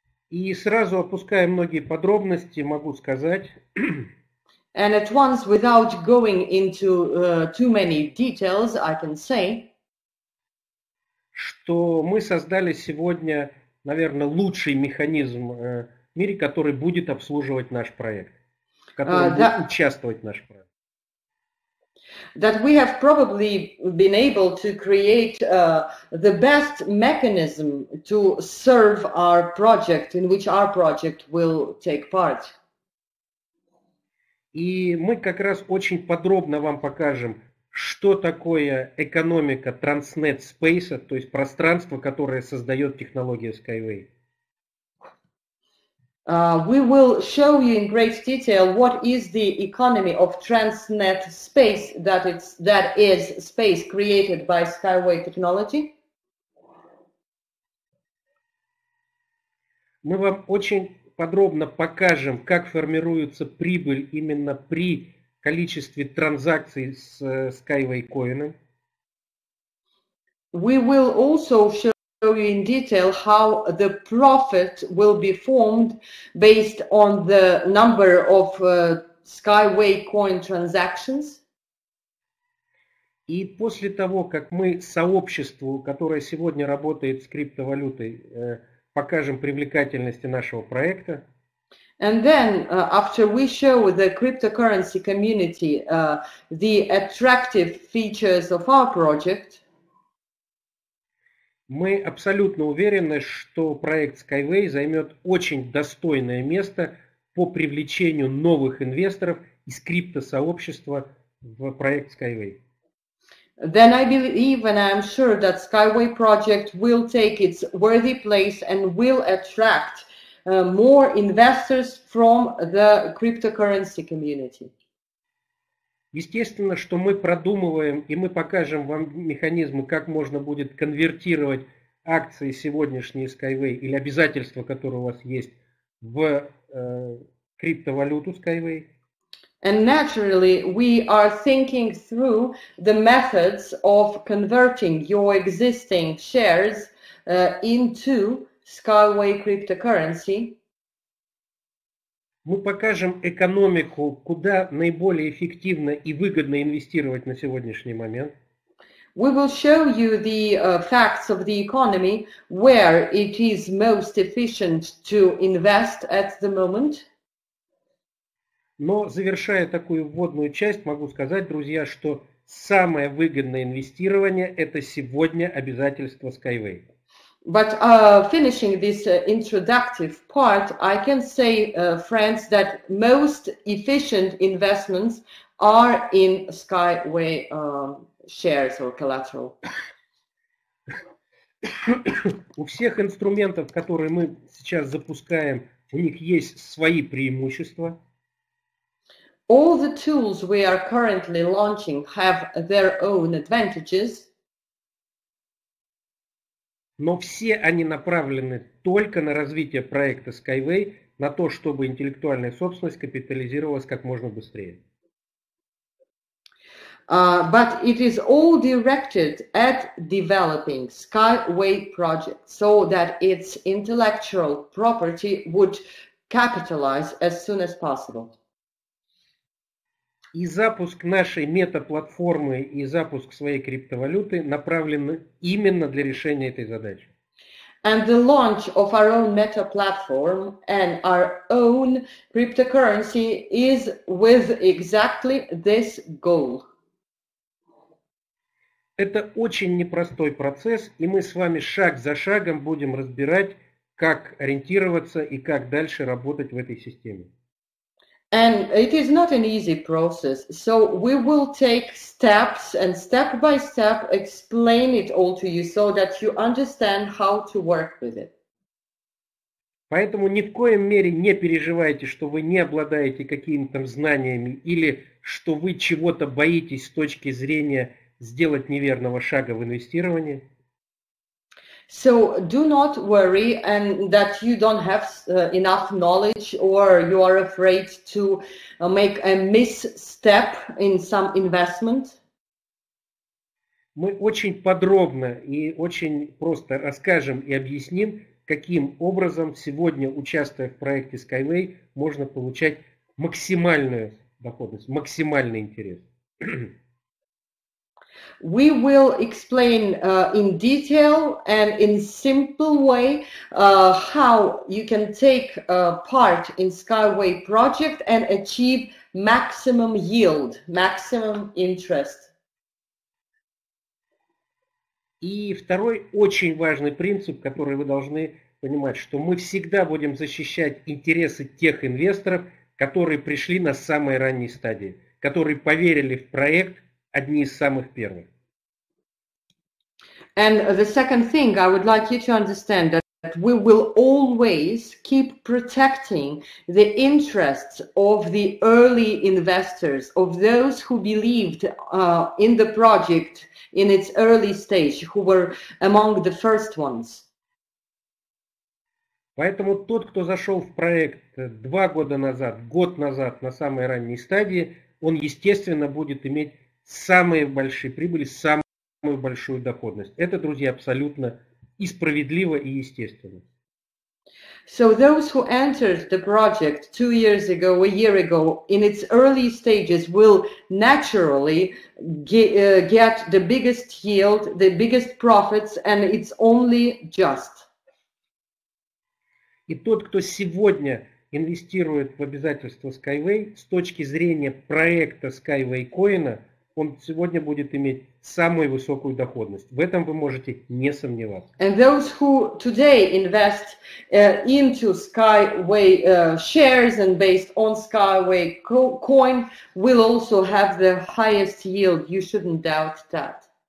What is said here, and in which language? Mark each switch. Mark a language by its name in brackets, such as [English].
[Russian] И сразу опуская многие подробности, могу сказать. [English] And at once, without going into too many details, I can say, [Russian] что мы создали сегодня, наверное, лучший механизм в мире, который будет обслуживать наш проект, который будет участвовать в наш проект. [English] That we have probably been able to create the best mechanism to serve our project, in which our project will take part. [Russian] И мы как раз очень подробно вам покажем, что такое экономика Transnet Space, то есть пространство, которое создает технология Skyway. [English] We will show you in great detail what is the economy of Transnet Space, that is space created by Skyway technology. [Russian] Мы вам очень подробно покажем, как формируется прибыль именно при количестве транзакций с Skyway Coin. [English] We will also show you in detail how the profit will be formed based on the number of Skyway Coin transactions. [Russian] И после того, как мы сообществу, которое сегодня работает с криптовалютой, покажем привлекательности нашего проекта. [English] And then, after we show the cryptocurrency community the attractive features of our project, [Russian] мы абсолютно уверены, что проект Skyway займет очень достойное место по привлечению новых инвесторов из криптосообщества в проект Skyway. [English] then I believe and I'm sure that Skyway project will take its worthy place and will attract more investors from the cryptocurrency community. [Russian] Естественно, что мы продумываем и мы покажем вам механизмы, как можно будет конвертировать акции сегодняшние Skyway или обязательства, которые у вас есть, в криптовалюту Skyway. [English] And naturally, we are thinking through the methods of converting your existing shares into Skyway cryptocurrency. [Russian] Мы покажем экономику, куда наиболее эффективно и выгодно инвестировать на сегодняшний момент. [English] We will show you the facts of the economy, where it is most efficient to invest at the moment. [Russian] Но завершая такую вводную часть, могу сказать, друзья, что самое выгодное инвестирование – это сегодня обязательство Skyway. [English] But finishing this introductory part, I can say, friends, that most efficient investments are in Skyway shares or collateral. [Russian] У всех инструментов, которые мы сейчас запускаем, у них есть свои преимущества. [English] All the tools we are currently launching have their own advantages. [Russian] Но все они направлены только на развитие проекта Skyway, на то, чтобы интеллектуальная собственность капитализировалась как можно быстрее. [English] But it is all directed at developing Skyway project so that its intellectual property would capitalize as soon as possible. [Russian] И запуск нашей мета-платформы и запуск своей криптовалюты направлены именно для решения этой задачи. [English] And the launch of our own meta-platform and our own cryptocurrency is with exactly this goal. [Russian] Это очень непростой процесс, и мы с вами шаг за шагом будем разбирать, как ориентироваться и как дальше работать в этой системе. [English] And it is not an easy process, so we will take steps and step by step explain it all to you so that you understand how to work with it. [Russian] Поэтому ни в коем мере не переживайте, что вы не обладаете какими-то знаниями или что вы чего-то боитесь с точки зрения сделать неверного шага в инвестировании. [English] So do not worry and that you don't have enough knowledge or you are afraid to make a misstep in some investment. [Russian] Мы очень подробно и очень просто расскажем и объясним, каким образом сегодня, участвуя в проекте Skyway, можно получать максимальную доходность, максимальный интерес. [English] We will explain in detail and in simple way how you can take part in Skyway project and achieve maximum yield, maximum interest. [Russian] И второй очень важный принцип, который вы должны понимать, что мы всегда будем защищать интересы тех инвесторов, которые пришли на самой ранней стадии, которые поверили в проект одни из самых первых. [English] And the second thing I would like you to understand that we will always keep protecting the interests of the early investors, of those who believed in the project in its early stage, who were among the first ones. [Russian] Поэтому тот, кто зашел в проект 2 года назад, год назад, на самой ранней стадии, он, естественно, будет иметь самые большие прибыли, самую большую доходность. Это, друзья, абсолютно и справедливо, и естественно. [English] So those who entered the project 2 years ago, a year ago, in its early stages will naturally get the biggest yield, the biggest profits, and it's only just. [Russian] И тот, кто сегодня инвестирует в обязательства Skyway, с точки зрения проекта Skyway Coin'а, он сегодня будет иметь самую высокую доходность. В этом вы можете не сомневаться. [English] And those who today invest into Skyway shares and based on Skyway coin will also have the highest yield. You shouldn't doubt that.